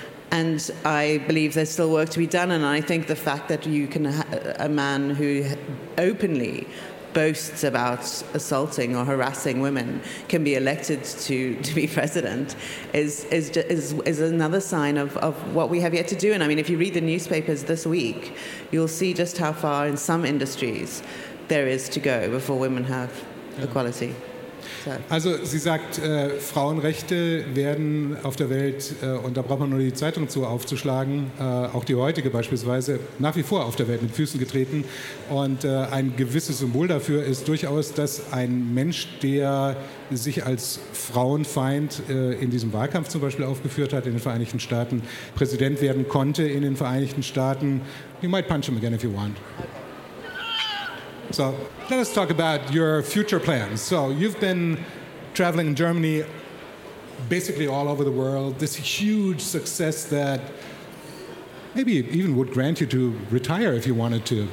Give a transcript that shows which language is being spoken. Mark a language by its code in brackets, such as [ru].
[en] And I believe there's still work to be done. And I think the fact that you can a man who openly boasts about assaulting or harassing women can be elected to be president is another sign of what we have yet to do. And I mean, if you read the newspapers this week, you'll see just how far in some industries there is to go before women have equality. [de] Also, sie sagt, Frauenrechte werden auf der Welt, und da braucht man nur die Zeitung zu aufzuschlagen, auch die heutige beispielsweise, nach wie vor auf der Welt mit Füßen getreten. Und ein gewisses Symbol dafür ist durchaus, dass ein Mensch, der sich als Frauenfeind in diesem Wahlkampf zum Beispiel aufgeführt hat, in den Vereinigten Staaten, Präsident werden konnte in den Vereinigten Staaten. [en] You might punch him again if you want. So, let us talk about your future plans. So, you've been traveling in Germany, basically all over the world, this huge success that maybe even would grant you to retire if you wanted to.